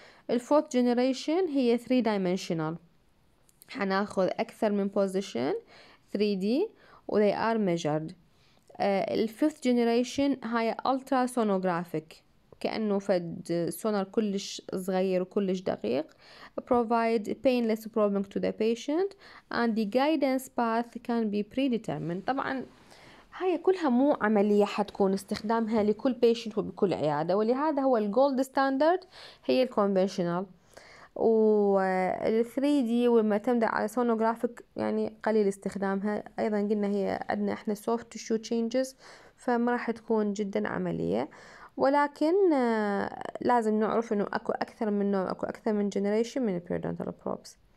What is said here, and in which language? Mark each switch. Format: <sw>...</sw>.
<ar>الفورث جينيريشن هي 3 دايمنشنال، حناخذ اكثر من بوزيشن 3D وذي ار ميجرد. الفيث جينيريشن هاي الترا سونوغرافيك، كأنه فد سونار كلش صغير وكلش دقيق.</ar> <en>Provide painless probing to the patient and the guidance path can be predetermined.</en> <ar>طبعا هاي كلها مو عملية حتكون استخدامها لكل patient وبكل عيادة، ولهذا هو الجولد ستاندرد هي الكونفنشنال، وال 3D ولما تمدع على سونوغرافيك يعني قليل استخدامها. ايضا قلنا هي عندنا احنا</ar> <en>soft tissue changes</en> <ar>فما راح تكون جدا عملية، ولكن لازم نعرف انه اكو اكثر من نوع، اكو اكثر من generation من periodontal probes.</ar>